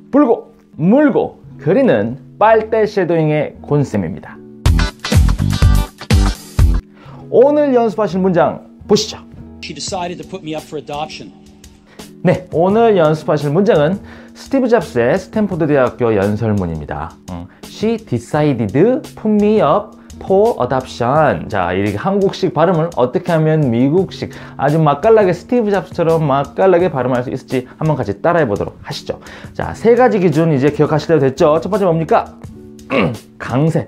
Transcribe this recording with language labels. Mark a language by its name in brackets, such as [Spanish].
[Korean] 불고, 물고, 그리는 빨대 쉐도잉의 곤쌤입니다. 오늘 연습하실 문장 보시죠. [English] She decided to put me up for adoption. [Korean] 네, 오늘 연습하실 문장은 스티브 잡스의 스탠포드 대학교 연설문입니다. [English] She decided to put me up for adoption. [Korean] 자, 이렇게 한국식 발음을 어떻게 하면 미국식 아주 맛깔나게 스티브 잡스처럼 맛깔나게 발음할 수 있을지 한번 같이 따라해 보도록 하시죠. 자, 세 가지 기준 이제 기억하시려 됐죠? 첫 번째 뭡니까? 강세.